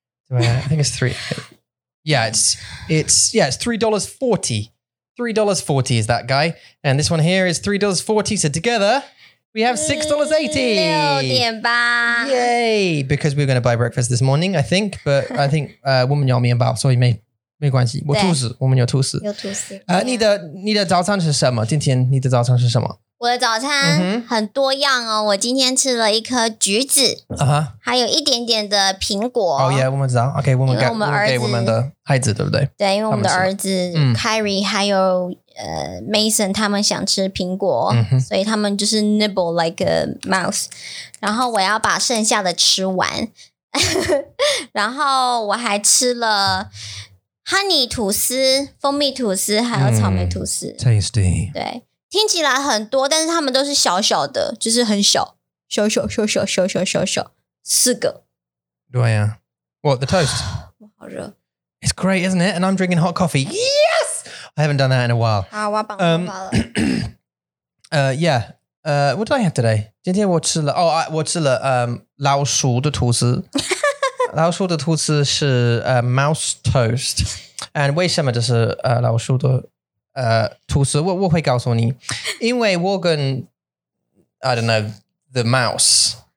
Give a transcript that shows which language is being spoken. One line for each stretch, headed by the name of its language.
English: I think it's three. Yeah, it's $3.40. $3.40 is that guy. And this one here is $3.40. So together, we have $6.80. 6.8. Yay. Because we're going to buy breakfast this morning, I think. But I think
Chinese: 我们要面包,所以没关系。我肚子,我们有吐司。你的早餐是什么?今天你的早餐是什么? 我的早餐很多样哦。我今天吃了一颗橘子。还有一点点的苹果。
English: Oh yeah,
Chinese: 我们知道。 OK, 我们给我们的孩子,对不对? 对,因为我们的儿子 Kyrie 还有Mason 他们想吃苹果、所以他们就是
English: nibble like a mouse
Chinese: 然后我要把剩下的吃完然后我还吃了 honey 吐司蜂蜜吐司还有草莓吐司
English: tasty
Chinese: 对听起来很多但是他们都是小小的就是很小小小小小小小小小四个对啊
English: What the toast
Chinese: 我好热
English: It's great isn't it and I'm drinking hot coffee yeahI haven't done that in a while. what did I have today?
Chinese: 今天我吃了老鼠的吐司。老鼠的吐司是
English: mouse toast.
Chinese: And 为什么这是老鼠的吐司？我会告诉你，因为我跟
English: I don't know the mouse.